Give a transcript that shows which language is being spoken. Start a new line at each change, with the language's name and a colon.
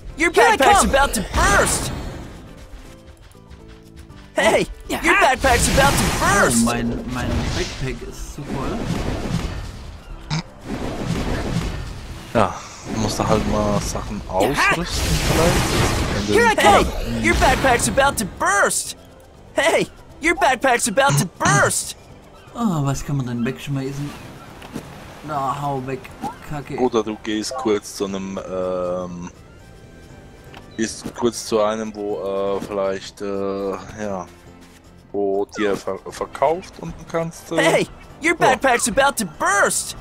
English: Your backpack's about to burst! Hey! Your backpack's about to burst!
German: Oh, mein Backpack ist zu voll. Ja, musst du halt mal Sachen ausrüsten vielleicht.
English: Here I come! Hey! Your backpack's about to burst! Hey! Your backpack's about to burst!
German: Oh, was kann man denn wegschmeißen? Na, hau weg, Kacke. Oder du gehst kurz zu einem, gehst kurz zu einem, wo, vielleicht, ja, wo dir verkauft und du kannst,
English: Hey, your backpack's about to burst!